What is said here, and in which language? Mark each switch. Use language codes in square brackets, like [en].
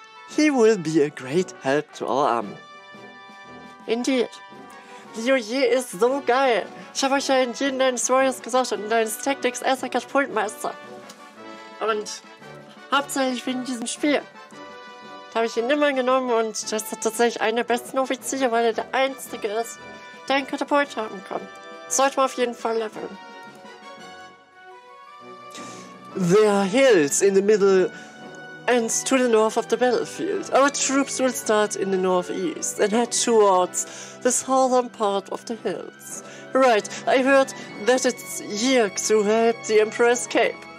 [en] He will be a great help to our army. Indeed. [de] Liu Ye ist so geil. Ich habe euch ja in jedem deines Warriors gesagt und in deines Tactics als ein Katapultmeister. Und hauptsächlich wegen diesem Spiel. Da habe ich ihn immer genommen und das ist tatsächlich einer der besten Offiziere, weil er der Einzige ist, der einen Katapult haben kann. Sollte man auf jeden Fall leveln. [en] There are hills in the middle and to the north of the battlefield. Our troops will start in the northeast and head towards the southern part of the hills. Right, I heard that it's Yixu who helped the Emperor escape.